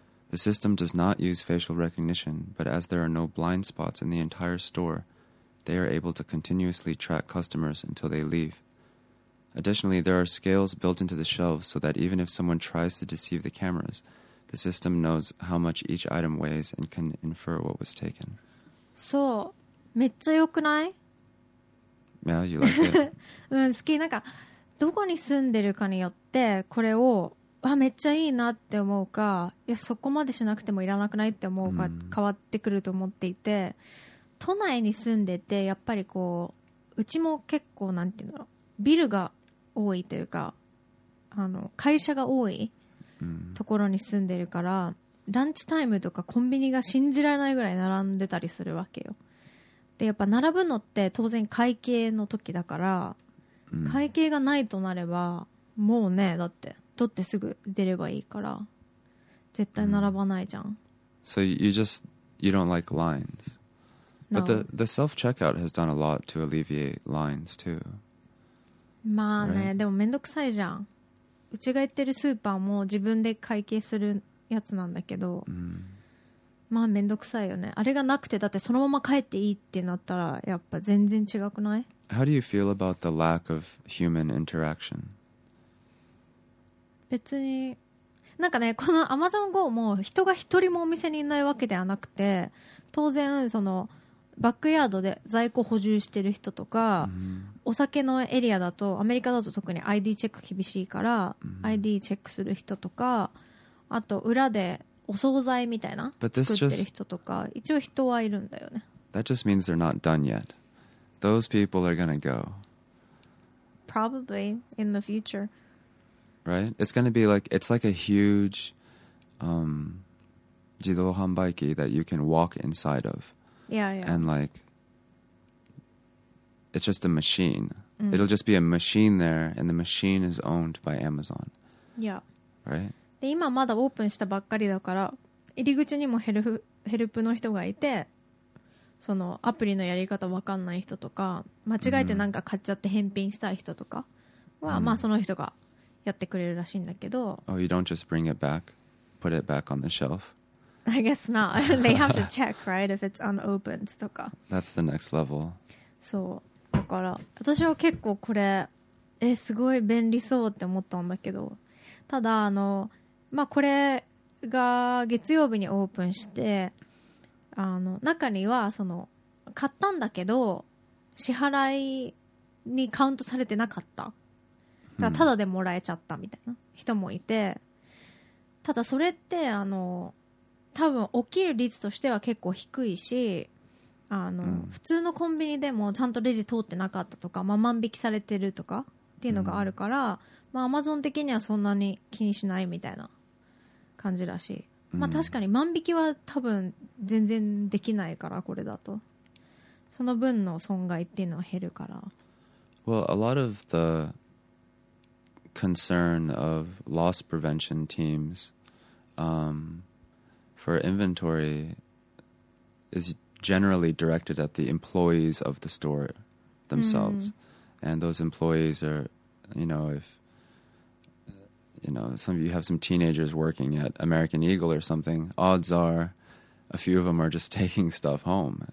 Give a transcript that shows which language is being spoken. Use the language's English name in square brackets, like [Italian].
[English] The system does not use facial recognition, but as there are no blind spots in the entire store, they are able to continuously track customers until they leave. Additionally, there are scales built into the shelves so that even if someone tries to deceive the cameras,The system knows how much each item weighs and can infer what was taken. [Japanese] そう、めっちゃ良くない? [English] Yeah, you like it. [Japanese] うん、好き。なんかどこに住んでるかによってこれをあめっちゃいいなって思うか、いやそこまでしなくてもいらなくないって思うか、mm. 変わってくると思っていて、都内に住んでてやっぱりこう、うちも結構なんていうんだろう、ビルが多いというか、あの会社が多いところに住んでるから、ランチタイムとかコンビニが信じられないぐらい並んでたりするわけよ。でやっぱ並ぶのって当然会計の時だから、会計がないとなればもうね、だって取ってすぐ出ればいいから絶対並ばないじゃん。 [English] So you just you don't like lines. But the self checkout has done a lot to alleviate lines too. [Japanese] まあね、でもめんどくさいじゃん。うちが行ってるスーパーも自分で会計するやつなんだけど、まあめんどくさいよね。あれがなくて、だってそのまま帰っていいってなったらやっぱ全然違くない? [English] How do you feel about the lack of human interaction? [Japanese] 別に、なんかね、この Amazon Go も人が一人もお店にいないわけではなくて、当然そのバックヤードで在庫補充してる人とか、お酒のエリアだとアメリカだと特に ID チェック厳しいから、 ID チェックする人とか、あと裏でお惣菜みたいな作ってる人とか、一応人はいるんだよね。 [English] That just means they're not done yet. Those people are gonna go. Probably in the future. Right? It's gonna be like, it's like a huge 自動販売機 that you can walk inside of. Yeah, yeah. And likeIt's just a machine. It'll just be a machine there, and the machine is owned by Amazon. Yeah. Right? [Japanese] で、今まだオープンしたばっかりだから、入り口にもヘルプの人がいて、そのアプリのやり方わかんない人とか、間違えてなんか買っちゃって返品したい人とかは、まあその人がやってくれるらしいんだけど。 [English] Oh, you don't just bring it back, put it back on the shelf? I guess not. They have to check, right, if it's unopened とか。 That's the next level. [Japanese] そう、だから私は結構これすごい便利そうって思ったんだけど、ただあのまあこれが月曜日にオープンして、あの中にはその買ったんだけど支払いにカウントされてなかった、だからただでもらえちゃったみたいな人もいて、ただそれってあの多分起きる率としては結構低いし、あの普通のコンビニでもちゃんとレジ通ってなかったとか、まあ、万引きされてるとかっていうのがあるから、まあ、Amazon 的にはそんなに気にしないみたいな感じらしい。まあ確かに万引きは多分全然できないから、これだとその分の損害っていうのは減るから。 [English] Well, a lot of the concern of loss prevention teams for inventory is generally directed at the employees of the store themselves. And those employees are, you know, if, you know, some of you have some teenagers working at American Eagle or something, odds are a few of them are just taking stuff home.